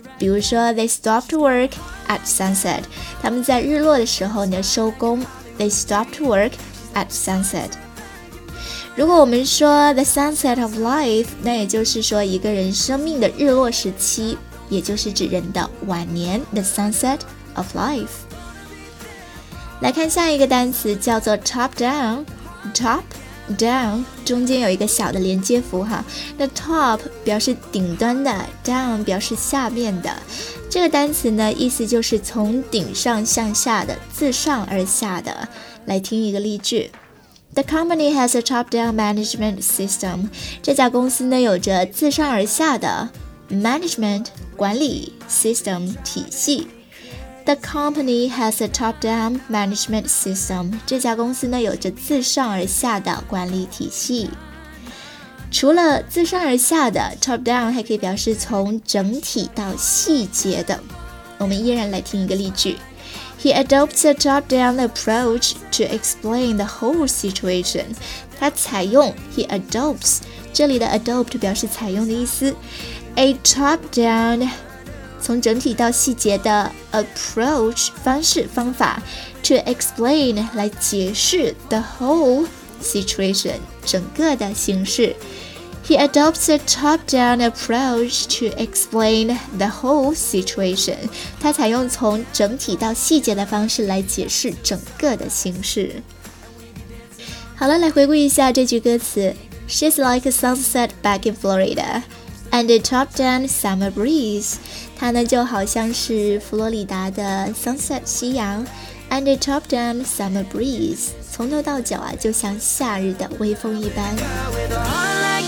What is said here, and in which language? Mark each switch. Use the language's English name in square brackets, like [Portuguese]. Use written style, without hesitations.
[Chinese] 比如说 they stopped work at sunset，他们在日落的时候呢收工。 [English] They stopped work at sunset。 [Chinese] 如果我们说 the sunset of life，那也就是说一个人生命的日落时期，也就是指人的晚年。 [English] The sunset of life。 [Chinese] 来看下一个单词叫做 top down。Top down 中间有一个小的连接符哈，那 top 表示顶端的， down 表示下面的。这个单词呢意思就是从顶上向下的，自上而下的。来听一个例句， The company has a top down management system，这家公司呢有着自上而下的 management 管理 system 体系。 [English] The company has a top-down management system. [Chinese] 这家公司呢有着自上而下的管理体系。除了自上而下的 top-down， 还可以表示从整体到细节的。我们依然来听一个例句。 [English] He adopts a top-down approach to explain the whole situation. [Chinese] 他采用 he adopts，这里的 adopt 表示采用的意思。 A top-down从整体到细节的 approach 方式方法 to explain 来解释 the whole situation 整个的形式。 [English] He adopts a top-down approach to explain the whole situation，他采用从整体到细节的方式来解释整个的形式。 [Chinese] 好了，来回顾一下这句歌词。 [English] She's like a sunset back in FloridaAnd a top-down summer breeze，它呢就好像是佛罗里达的 sunset 夕阳。 [Chinese] And a top-down summer breeze，从头到脚啊就像夏日的微风一般。